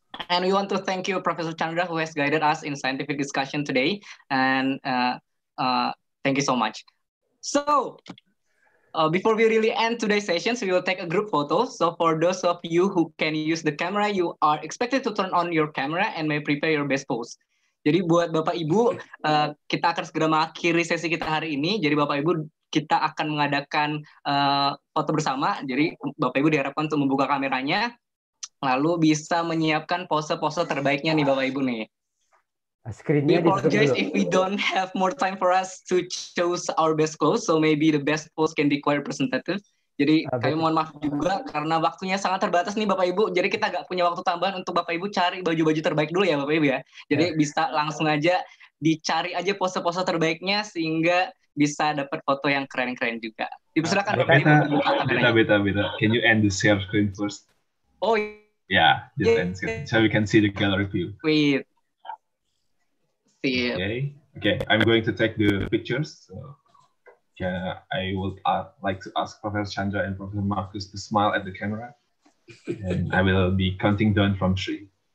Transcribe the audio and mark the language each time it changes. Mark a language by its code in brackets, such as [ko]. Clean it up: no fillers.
[en] And we want to thank you, Professor Chandra, who has guided us in scientific discussion today. And thank you so much. So before we really end today's sessions, we will take a group photo. So for those of you who can use the camera, you are expected to turn on your camera and may prepare your best pose. [id] Jadi buat Bapak Ibu, kita akan segera mengakhiri sesi kita hari ini. Jadi Bapak Ibu, kita akan mengadakan foto bersama. Jadi Bapak Ibu diharapkan untuk membuka kameranya, lalu bisa menyiapkan pose-pose terbaiknya nih Bapak Ibu nih. Screen-nya [en] we apologize if we don't have more time for us to choose our best clothes, so maybe the best pose can be quite representative. [id] Jadi kami mohon maaf juga karena waktunya sangat terbatas nih Bapak Ibu. Jadi kita nggak punya waktu tambahan untuk Bapak Ibu cari baju-baju terbaik dulu ya Bapak Ibu ya. Jadi bisa langsung aja dicari aja pose-pose terbaiknya sehingga bisa dapat foto yang keren-keren juga. Dipersilakan [en] Bapak Ibu. Beta. Can you end the share screen first? Oh yeah, just end so we can see the gallery view. Wait. See. Okay. I'm going to take the pictures. So. I would like to ask Professor Chandra and Professor Marcus to smile at the camera, and I will be counting down from three.